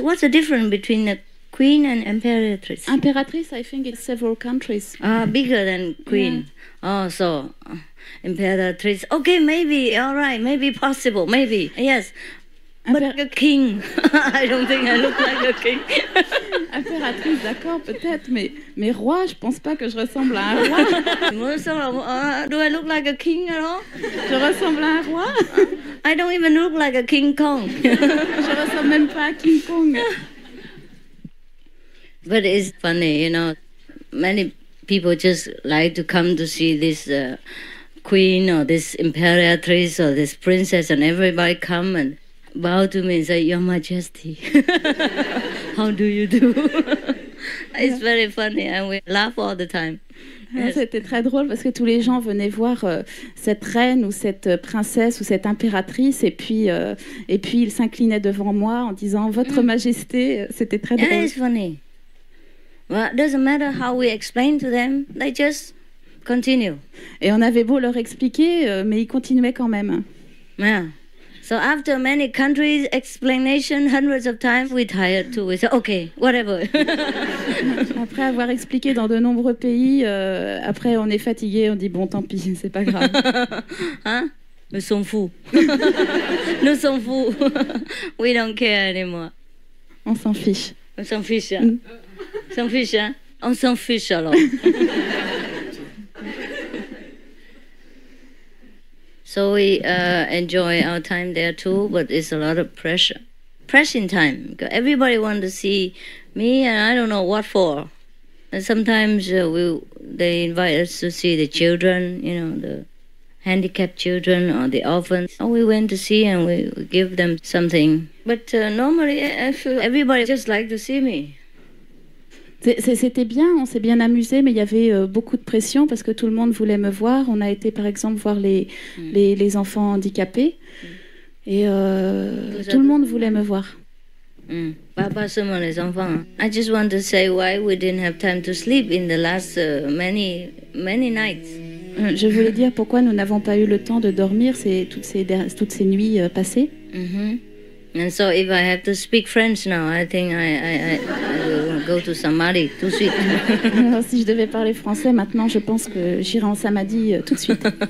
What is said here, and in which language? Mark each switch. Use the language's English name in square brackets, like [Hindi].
[English] What's the difference between a queen and impératrice? Impératrice, I think it's several countries. Ah, bigger than queen. Yeah. Oh, so impératrice. Okay, maybe. All right, maybe possible. Maybe. Yes. But a king. I don't think I look like a king. [French] Impératrice, d'accord, peut-être, mais roi, je pense pas que je ressemble à un roi. [English] Do I look like a king at all? [French] Je ressemble à un roi? [English] I don't even look like a King Kong. [French] Je ressemble même pas à King Kong. [English] But it's funny, you know, many people just like to come to see this queen or this imperatrice or this princess, and everybody come and bow to me and say, Your Majesty, how do you do? It's very funny, and we laugh all the time. Yes. [French] C'était très drôle parce que tous les gens venaient voir cette reine ou cette princesse ou cette impératrice, et puis ils s'inclinaient devant moi en disant, Votre Majesté, c'était très drôle. [English] Yeah, it's funny. Well, it doesn't matter how we explain to them, they just continue. [French] Et on avait beau leur expliquer, mais ils continuaient quand même. [English] Yeah. So after many countries explanation hundreds of times, we tired too. We said, okay, whatever. [French] Après avoir expliqué dans de nombreux pays, après on est fatigué, on dit bon, tant pis, c'est pas grave. Hein? Nous sommes fous. Nous sommes fous. [English] We don't care anymore. [French] On s'en fiche. On s'en fiche. Hein? On s'en fiche. Hein? On s'en fiche alors. [English] So we enjoy our time there too, but it's a lot of pressure. Pressing time. Everybody wants to see me, and I don't know what for. And sometimes they invite us to see the children, you know, the handicapped children or the orphans. And we went to see and we give them something. But normally, everybody just like to see me. [French] C'était bien, on s'est bien amusé, mais il y avait beaucoup de pression parce que tout le monde voulait me voir. On a été, par exemple, voir les enfants handicapés. Et tout le monde voulait me voir. Pas seulement les enfants. [English] I just want to say why we didn't have time to sleep in the last many, many nights. [French] Je voulais dire pourquoi nous n'avons pas eu le temps de dormir toutes ces nuits passées. [English] And so if I have to speak French now, I think I will go to Samadhi [French] tout de suite. Alors, si je devais parler français maintenant, je pense que j'irai en Samadhi tout de suite.